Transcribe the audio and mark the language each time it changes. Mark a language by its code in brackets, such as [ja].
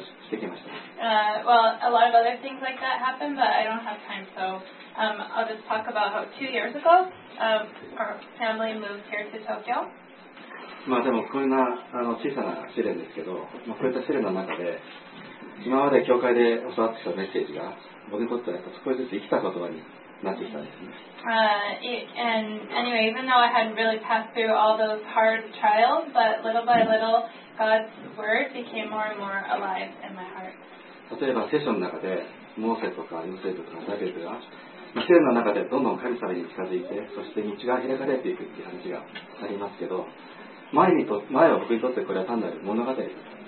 [en] Well, a lot of other things like that happened, but I don't have time, so I'll just talk about how 2 years ago our family moved here to Tokyo. [ja] まあでもこんな小さな試練ですけど、まあ、こういった試練の中で今まで教会で教わってきたメッセージが僕にとってはやっぱ少しずつ生きた言葉になってきたんですね。 [en] And anyway, even though I hadn't really passed through all those hard trials, but little by little, God's word became more and more alive in my heart. [ja] 例えば聖書の中でモーセとかヨセフとかダビデが聖書の中でどんどん神様に近づいて、そして道が開かれていくっていう話がありますけど、前は僕にとってこれは単なる物語だったんですね。